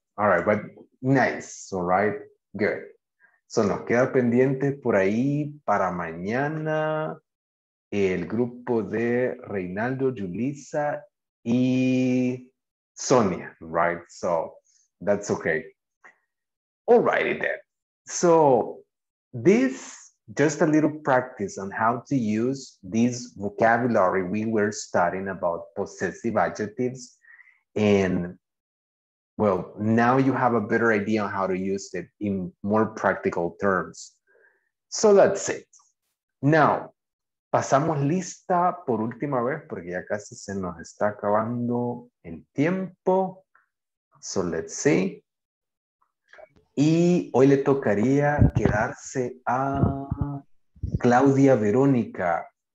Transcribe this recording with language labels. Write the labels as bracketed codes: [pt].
[en] All right, but nice. All right, good. [es] So nos queda pendiente por ahí para mañana el grupo de Reinaldo, Julissa y Sonia, right? [en] So that's okay. All righty then. So this, just a little practice on how to use this vocabulary we were studying about possessive adjectives. And well, now you have a better idea on how to use it in more practical terms. So that's it. [es] Now, pasamos lista por última vez porque ya casi se nos está acabando el tiempo. [en] So let's see. [es] Y hoy le tocaría quedarse a Claudia Verónica.